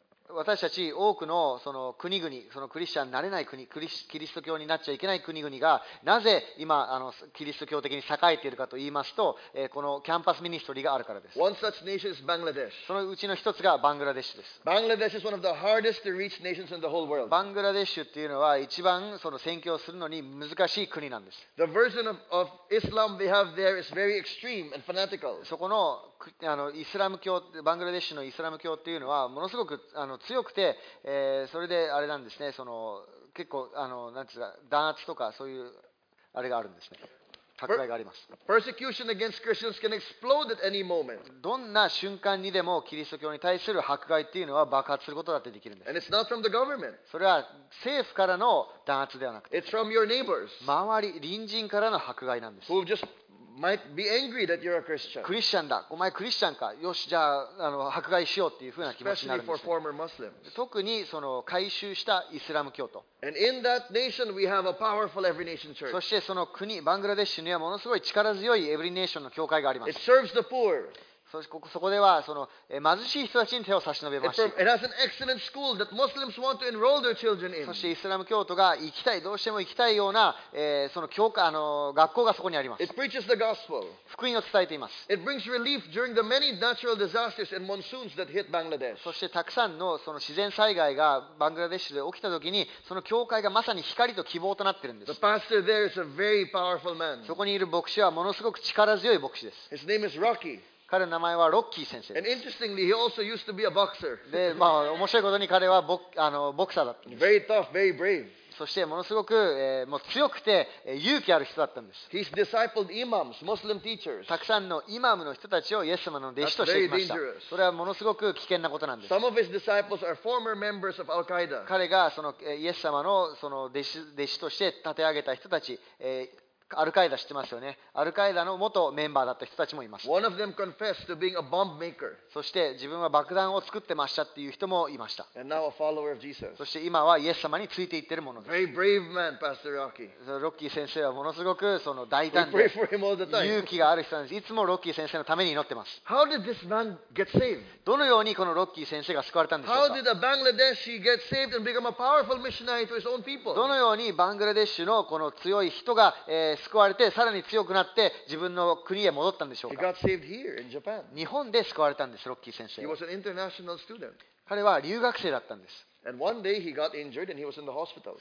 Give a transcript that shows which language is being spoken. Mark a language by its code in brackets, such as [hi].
[ja] 私たち多くのその国々、そのクリスチャンになれない国、キリスト教になっちゃいけない国々がなぜ今あのキリスト教的に栄えているかと言いますと、このキャンパスミニストリーがあるからです。 [en] One such nation is Bangladesh. [ja] そのうちの一つがバングラデシュです。 [en] Bangladesh is one of the hardest to reach nations in the whole world. [ja] バングラデシュっていうのは一番その宣教するのに難しい国なんです。 [en] The version of Islam we have there is very extreme and fanatical. [ja] そこのあのイスラム教、バングラデシュのイスラム教っていうのはものすごくあの強くて、それであれなんですね、その結構あのなんていうか弾圧とかそういうあれがあるんですね、迫害があります。 [en] Persecution against Christians can explode at any moment. [ja] どんな瞬間にでもキリスト教に対する迫害っていうのは爆発することだってできるんです。 [en] And it's not from the government. [ja] それは政府からの弾圧ではなくて、 [en] it's from your neighbors. [ja] 周り、隣人からの迫害なんです。 [en] Who justMight be angry that you're a Christian. [ja] クリスチャンだ。お前クリスチャンか。よし、じゃ あの迫害しようっていうふうな気持ちになるんです。 [en] Especially for former Muslims. [ja] 特にその改宗したイスラム教徒。 [en] And in that nation, we have a powerful every nation church. [ja] そしてその国、バングラデシュにはものすごい力強いエブリネーションの教会があります。 [en] It serves the poor. [ja] そこではその貧しい人たちに手を差し伸べます。 [en] It has an excellent school that Muslims want to enroll their children in. [ja] そしてイスラム教徒が行きたい、どうしても行きたいような、その教科あの学校がそこにあります。 [en] It preaches the gospel. [ja] 福音を伝えています。 [en] It brings relief during the many natural disasters and monsoons that hit Bangladesh. [ja] そしてたくさんのその自然災害がバングラデシュで起きたときに、その教会がまさに光と希望となっているんです。 [en] The pastor there is a very powerful man. [ja] そこにいる牧師はものすごく力強い牧師です。 [en] His name is Rocky. [ja] 彼の名前はロッキー先生です。 [en] And interestingly, he also used to be a boxer. [ja] で、まあ、面白いことに彼はボクサーだったんです。 [en] Very tough, very brave. [ja] そしてものすごく、もう強くて、勇気ある人だったんです。 [en] He's discipled imams, Muslim teachers. [ja] たくさんのイマムの人たちをイエス様の弟子としてきました。 [en] That's very dangerous. [ja] それはものすごく危険なことなんです。 [en] Some of his disciples are former members of Al-Qaeda. [ja] 彼がそのイエス様のその弟子として立て上げた人たち、アルカイダ知ってますよね。アルカイダの元メンバーだった人たちもいます。 [en] One of them confessed to being a bomb maker. [ja] そして自分は爆弾を作ってましたっていう人もいました。 [en] And now a follower of Jesus. [ja] そして今はイエス様についていってるものです。 [en] Very brave man, Pastor Rocky. [ja] ロッキー先生はものすごくその大胆で勇気がある人なんです。いつもロッキー先生のために祈ってます。 [en] How did this man get saved? [ja] どのようにこのロッキー先生が救われたんでしょうか。 [en] How did a Bangladeshi get saved and become a powerful missionary to his own people? [ja] どのようにバングラデシュのこの強い人が、救われてさらに強くなって自分の国へ戻ったんでしょうか。 [en] He got saved here in Japan. [ja] 日本で救われたんです、ロッキー先生。 [en] He was an international student. [ja] 彼は留学生だったんです。 [en] And one day he got injured and he was in the hospital.